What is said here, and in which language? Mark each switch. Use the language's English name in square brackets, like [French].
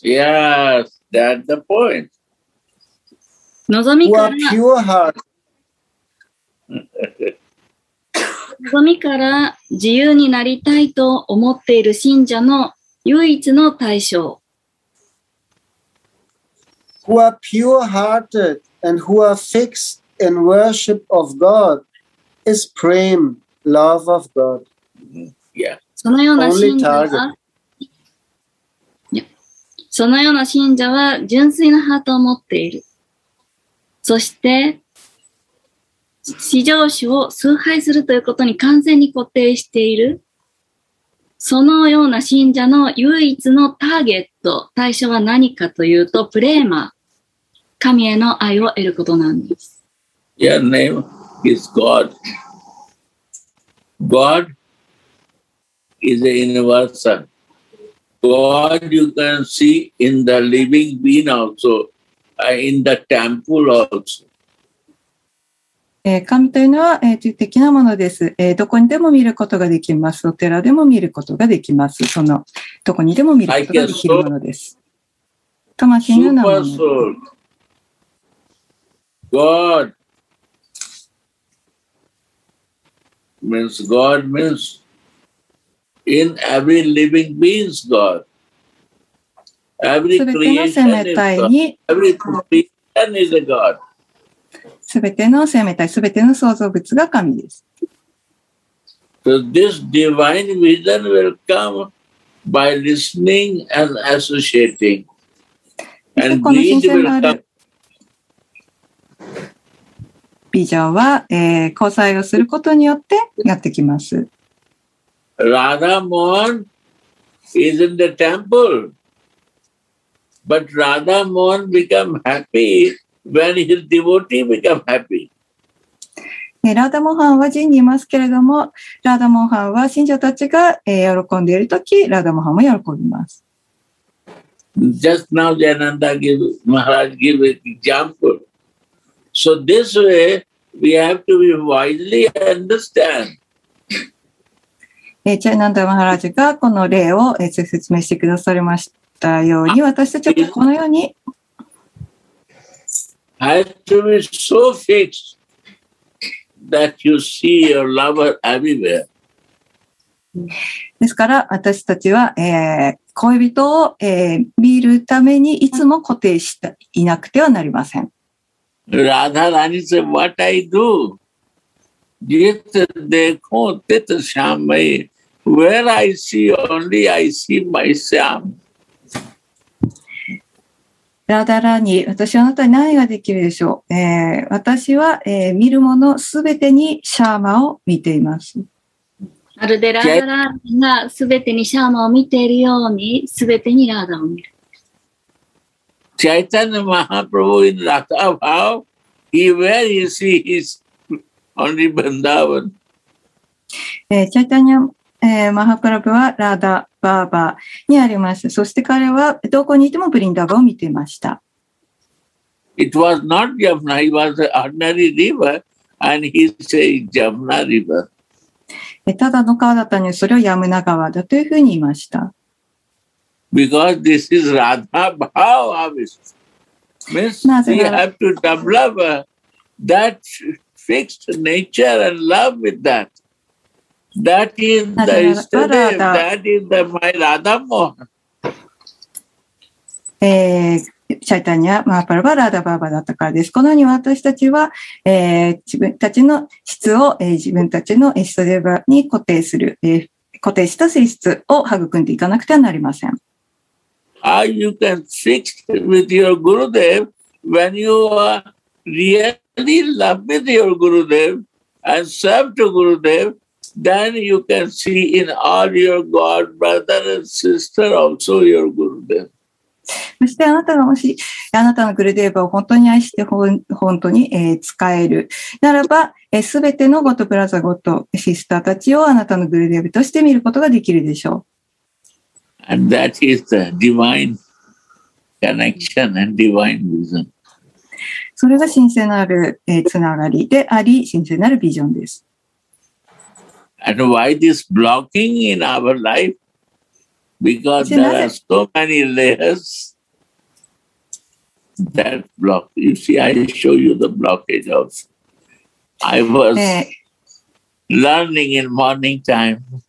[English] Yes, that's the point. Who are pure heart. [Japanese] 望みから自由になりたいと思っている信者の唯一の対象。 [English] Who are pure hearted and who are fixed in worship of God is prem, love of God. Yeah. [Japanese] そのような信者は、そのような信者は純粋なハートを持っている。そして、至上主を崇拝するということに完全に固定している。そのような信者の唯一のターゲット、対象は何かというと、プレーマ、神への愛を得ることなんです。 [English] Your name is God. God is a universal. God, you can see in the living being also, in the temple also. [Japanese] 神というのは具的なものです。どこにでも見ることができます。お寺でも見ることができます。そのどこにでも見ることができるものです。魂のようなもの。 [English] God means God means. In every living being's God. Every creation is a God. [Japanese] すべての生命体、すべての創造物が神です。 [English] So this divine vision will come by listening and associating. And greed will come. [Japanese] ビジョンは、交際をすることによってやってきます。 [English] Radha Mohan is in the temple, but Radha Mohan become happy when his devotee become happy. [Japanese] Radha Mohan は神にいますけれども、Radha Mohan は信者たちが喜んでいるとき、Radha Mohan も喜びます。 [English] Just now, Jayananda Maharaj gave an example. So this way, we have to be wisely understand. [Japanese] チャイナンダマハラジがこの例を説明してくださりましたように、私たちはこのように。 [English] I have to be so fixed that you see your lover everywhere. [Japanese] ですから、私たちは、恋人を、見るためにいつも固定していなくてはなりません。 [English] Radharani said, What I do? Get the coat, get the shamai. Where I see only, I see myself. [Japanese] ラダラニ、私はあなたに何ができるでしょう。私は、見るものすべてにシャーマを見ています。まるでラダラニがすべてにシャーマを見ているように、すべてにラダを見る。 [English] チャイタニマハプロヴィン・ラダバウ、he where you see his only Vrindavan. [Japanese] チャイタニアマハプラブはラダ・バーバーにあります。そして彼はどこにいてもブリンダーバを見ていました。 [English] It was not Jamuna, it was an ordinary river, and he said Jamuna River. [Japanese] ただの川だったのに、それをヤムナ川だというふうに言いました。 [English] Because this is Radha Bhava, Miss. We have to develop that fixed nature and love with that. That is the history, that is the my Radha Mohan. [Japanese] チャイタニア、マーパルバ、ラーダバーバーだったからです。このように私たちは、自分たちの質を、自分たちのエストデバに固定する、固定した性質を育んでいかなくてはなりません。 [English] How you can fix with your Gurudev when you are really love with your Gurudev and serve to Gurudev, then you can see in all your God, brother and sister also your Gurudev. [Japanese] そしてあなたがもしあなたのグルデーバを本当に愛して本当に使えるならば、すべてのゴトブラザゴトシスターたちをあなたのグルデーバとして見ることができるでしょう。 [English] And that is the divine connection and divine vision. [Japanese] それが神聖なるつながりであり、神聖なるビジョンです。 [English] And why this blocking in our life? Because there are so many layers that block. You see, I show you the blockage of. I was learning in morning time.